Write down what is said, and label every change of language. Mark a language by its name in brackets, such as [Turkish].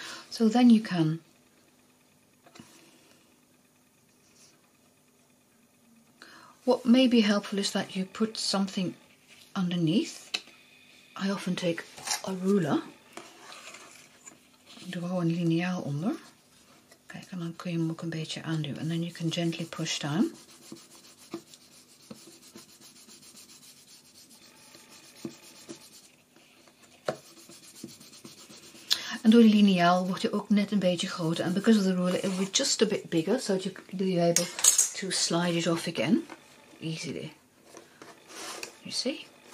[English] So then you can what may be helpful is that you put something underneath. I often take a ruler. [Dutch] Doe gewoon een lineaal onder. Kijk, en dan kun je hem ook een beetje aanduwen. [English] And then you can gently push down. [Dutch] En door die lineaal wordt hij ook net een beetje groter. [English] And because of the ruler, it will be just a bit bigger. So that you're able to slide it off again. Easily. You see?